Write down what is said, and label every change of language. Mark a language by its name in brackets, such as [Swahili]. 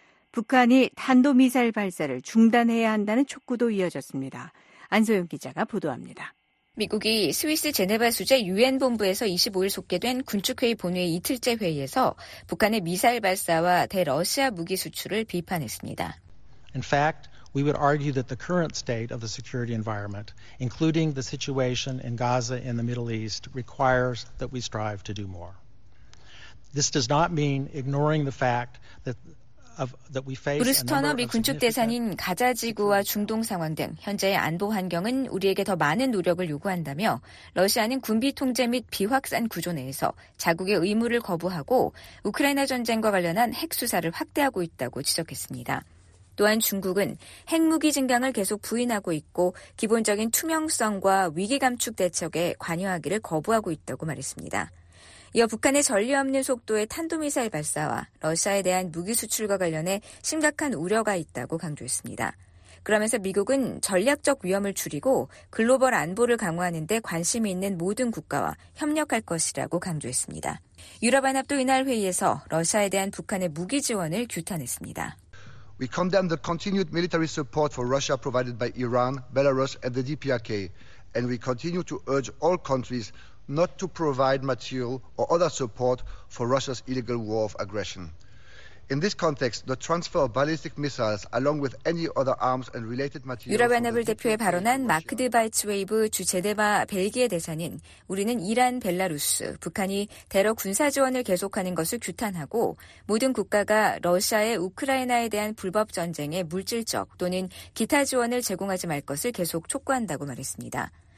[Korean] 북한이 탄도미사일 발사를 중단해야 한다는 촉구도 이어졌습니다. 안소영 기자가 보도합니다. 미국이 스위스 제네바 소재 유엔 본부에서 25일 속개된 군축회의 본회의 이틀째 회의에서 북한의 미사일 발사와 대러시아 무기 수출을 비판했습니다. [English] In fact, we would argue that the current state of the security environment, including the situation in Gaza in the Middle East, requires that we strive to do more. This does not mean ignoring the fact that [Korean] 브루스 터너 미 군축대사는 가자지구와 중동 상황 등 현재의 안보 환경은 우리에게 더 많은 노력을 요구한다며 러시아는 군비 통제 및 비확산 구조 내에서 자국의 의무를 거부하고 우크라이나 전쟁과 관련한 핵 수사를 확대하고 있다고 지적했습니다. 또한 중국은 핵무기 증강을 계속 부인하고 있고 기본적인 투명성과 위기 감축 대책에 관여하기를 거부하고 있다고 말했습니다. 이어 북한의 전례 없는 속도의 탄도미사일 발사와 러시아에 대한 무기 수출과 관련해 심각한 우려가 있다고 강조했습니다. 그러면서 미국은 전략적 위험을 줄이고 글로벌 안보를 강화하는 데 관심이 있는 모든 국가와 협력할 것이라고 강조했습니다. 유럽연합도 이날 회의에서 러시아에 대한 북한의 무기 지원을 규탄했습니다. [English] We condemn the continued military support for Russia provided by Iran, Belarus and the DPRK and we continue to urge all countries not to provide material or other support for Russia's illegal war of aggression. In this context, the transfer of ballistic missiles along with any other arms and related materials [Korean] 유럽연합을 대표해 발언한 마크 드바이츠 웨이브 주 제네바 벨기에 대사는 우리는 이란, 벨라루스, 북한이 대러 군사 지원을 계속하는 것을 규탄하고 모든 국가가 러시아의 우크라이나에 대한 불법 전쟁에 물질적 또는 기타 지원을 제공하지 말 것을 계속 촉구한다고 말했습니다.